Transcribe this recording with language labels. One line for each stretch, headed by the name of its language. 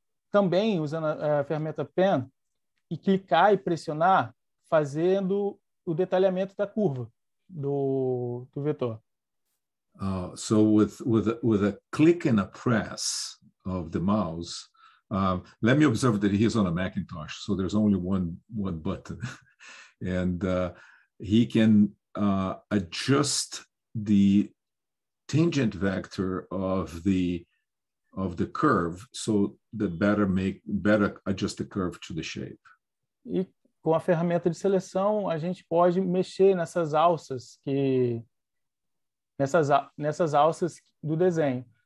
Portuguese: Também, usando a ferramenta Pen, e clicar e pressionar, fazendo o detalhamento da curva do vetor.
English: So with a click and a press of the mouse, let me observe that he is on a Macintosh, so there's only one button, and he can adjust the tangent vector of the curve so that better adjust the curve to the shape.
Portuguese: E com a ferramenta de seleção, a gente pode mexer nessas alças que nessas alças do desenho.